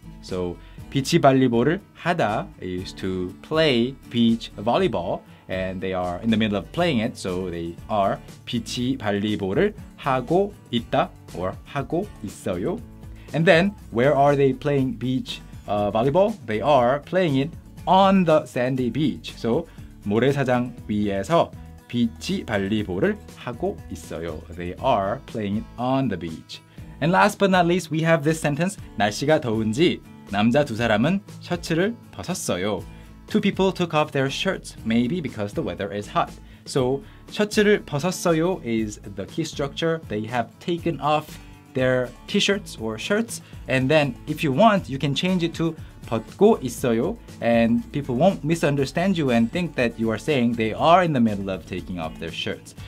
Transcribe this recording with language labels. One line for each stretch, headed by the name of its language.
English: So
Korean: 비치 발리볼을 하다
English: is to play beach volleyball. And they are in the middle of playing it, so they are
Korean: 비치 발리볼을 하고 있다
English: or 하고 있어요. And then, where are they playing beach volleyball? They are playing it on the sandy beach.
Korean: So, 모래사장 위에서 비치 발리볼을 하고 있어요.
English: They are playing it on the beach. And last but not least, we have this sentence.
Korean: 날씨가 더운지 남자 두 사람은 셔츠를 벗었어요.
English: Two people took off their shirts, maybe because the weather is hot. So,
Korean: 셔츠를 벗었어요
English: is the key structure. They have taken off their t-shirts or shirts. And then, if you want, you can change it to
Korean: 벗고 있어요.
English: And people won't misunderstand you and think that you are saying they are in the middle of taking off their shirts.